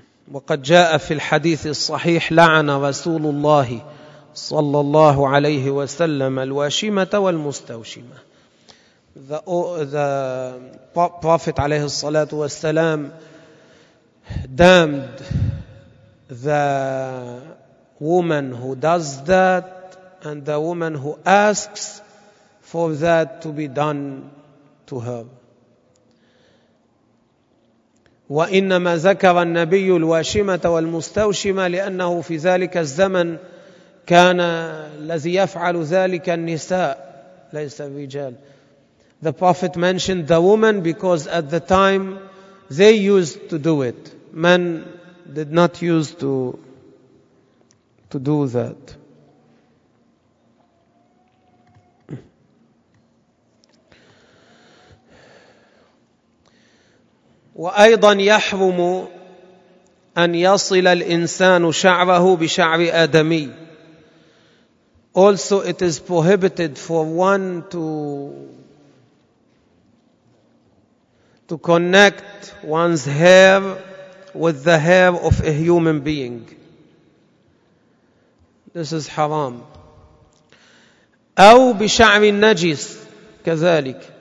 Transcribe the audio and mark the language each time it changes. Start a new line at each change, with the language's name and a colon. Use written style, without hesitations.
Arabic: وقد جاء في الحديث الصحيح لعن رسول الله صلى الله عليه وسلم الواشمة والمستوشمة.
English: The Prophet
Arabic: عليه الصلاة والسلام
English: damned the woman who does that and the woman who asks for that to be done to her.
Arabic: وإنما ذكر النبي الواشمة والمستوشمة لأنه في ذلك الزمن كان الذي يفعل ذلك النساء ليس الرجال.
English: The Prophet mentioned the woman because at the time they used to do it. Men did not use to do that.
Arabic: وأيضا يحرم أن يصل الإنسان شعره بشعر آدمي.
English: Also, it is prohibited for one to connect one's hair with the hair of a human being. This is haram.
Arabic: أو بشعر النجس كذلك.